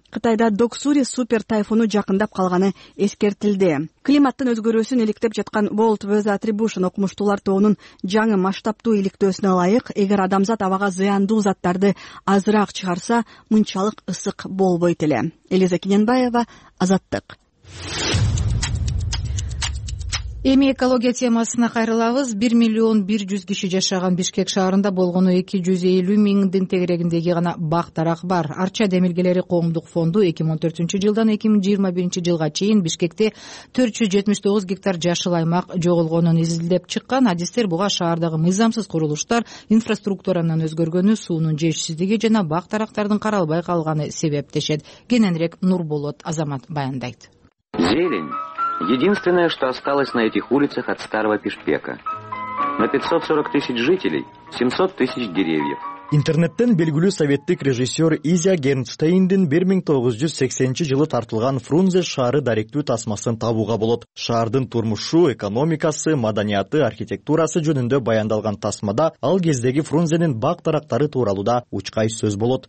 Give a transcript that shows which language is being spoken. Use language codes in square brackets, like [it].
[ky] Кытайда Доксури супер тайфуну жакындап калганы эскертилди. Климаттын өзгөрүүсүн иликтеп жаткан World Weather Attribution окумуштуулар тобунун жаңы масштабтуу иликтөөсүнө ылайык, эгер адамзат абага зыяндуу заттарды азыраак чыгарса, мынчалык ысык болбойт эле. Элиза Кененбаева, Азаттык. Эми экология темасына кайрылабыз. 1,100,000 киши жашаган Бишкек шаарында болгону 250,000 тегерегиндеги гана бак дарак бар. Арча демилгелери коомдук фонду 2014 жылдан 2021 жылга чейин Бишкекте 479 гектар жашыл аймак жоголгонун изилдеп чыккан. Адистер буга шаардагы мыйзамсыз курулуштар, инфраструктуранын өзгөргөнү, суунун жетишсиздиги жана бак дарактардын каралбай калганы себеп дешет. Кененирээк Нурболот Азамат баяндайт. [ru] Зелень. Единственное, что осталось на этих улицах от старого Пешпека. На 540 тысяч жителей 700 тысяч деревьев. [ky] Интернеттен белгилүү советтик режиссер Изя Гернштейндин 1980 жылы тартылган Фрунзе шаары даректүү тасмасын табууга болот. Шаардын турмушу, экономикасы, маданияты, архитектурасы жөнүндө баяндалган тасмада ал кездеги Фрунзенин бак дарактары тууралуу да учкай сөз болот.